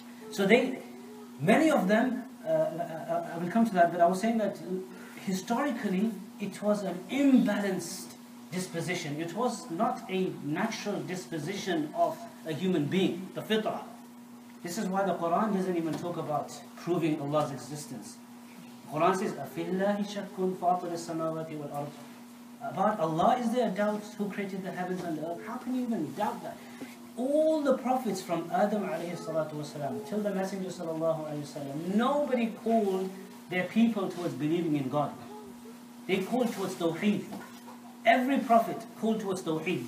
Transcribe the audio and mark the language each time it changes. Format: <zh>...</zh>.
<en>So many of them, I will come to that, but I was saying that historically, it was an imbalanced disposition. It was not a natural disposition of a human being, the fitrah. This is why the Quran doesn't even talk about proving Allah's existence. The Quran says,</en> <ar>أَفِلَّهِ شَكٌ فَاطِرِ السَّمَاوَاتِ وَالْأَرْضِ.</ar> <en>About Allah, is there a doubt who created the heavens and the earth? How can you even doubt that? All the prophets from Adam alayhi salatu wasalam till the Messenger sallallahu alayhi wasalam, nobody called their people towards believing in God. They called towards Tawheed. Every prophet called towards Tawheed.</en>